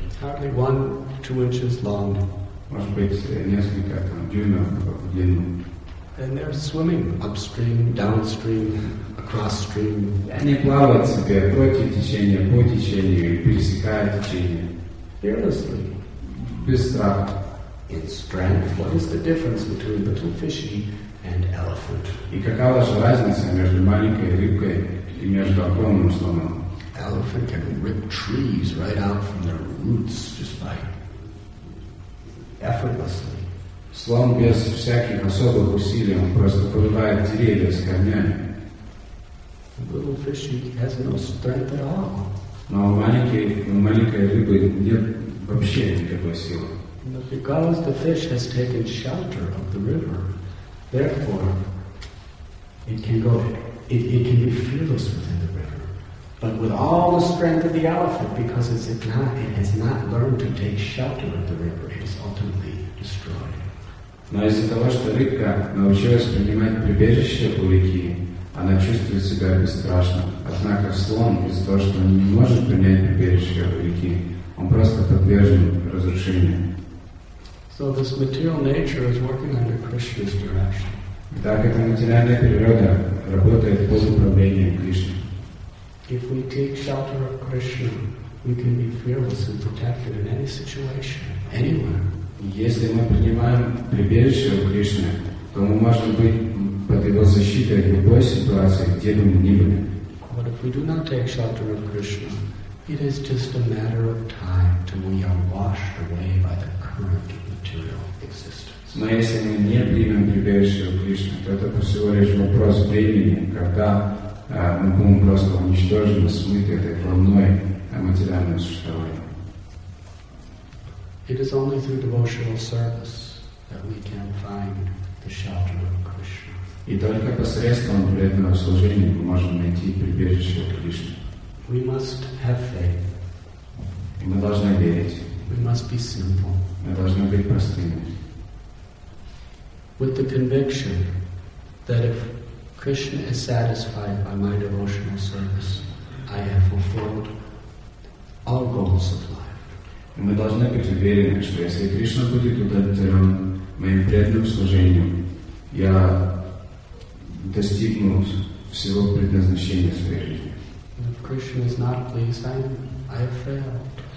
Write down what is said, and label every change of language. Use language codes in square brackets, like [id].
[en] Hardly 1-2 inches long. [ru] Может быть, несколько там, дюймов в длину. [en] And they're swimming upstream, downstream, across stream. [ru] Они плавают себе против течения, по течению, пересекая течение. [en] Fearlessly. In strength, what is the difference between little fishy and elephant? [ru] И какова же разница между маленькой рыбкой и между огромным слоном? [en] Elephant can rip trees right out from their roots just by effortlessly. [ru] Слон без всяких особых усилий он просто вырывает деревья с корнями. [en] The little fishy has no strength at all. [ru] Но маленькой рыбы нет. Вообще никакой силы. [en] But because the fish has taken shelter of the river, therefore it can go, it can be fearless within the river. But with all the strength of the elephant, because it has not learned to take shelter of the river, it is ultimately destroyed. [ru] Но из-за того, что рыбка научилась принимать прибежище у реки, она чувствует себя бесстрашно. Однако слон из-за того, что он не может принять прибежище у реки, он просто подвержен разрушению. [en] So this material nature is working under Krishna's direction. [ru] Так эта материальная природа работает под управлением Кришны. [en] If we take shelter of Krishna, we can be fearless and protected in any situation, anywhere. [ru] Если мы принимаем прибежище у Кришны, то мы можем быть под его защитой в любой ситуации, где бы мы ни были. [en] But if we do not take shelter of Krishna, it is just a matter of time till we are washed away by the current of material existence. [ru] Но если мы не примем прибежище у Кришны, то это всего лишь вопрос времени, когда мы будем просто уничтожены, смыты этой волной материального существования. [en] It is only through devotional service that we can find the shelter of Krishna. [ru] И только посредством преданного служения мы можем найти прибежище у Кришны. [en] We must have faith. [ru] Мы должны верить. [en] We must be simple. [ru] Мы должны быть простыми. [en] With the conviction that if Krishna is satisfied by my devotional service, I have fulfilled all goals of life. [ru] И мы должны быть уверены, что если Кришна будет удовлетворен моим преданным служением, я достигну всего предназначения своей жизни. [en] If Krishna is not pleased, I have failed.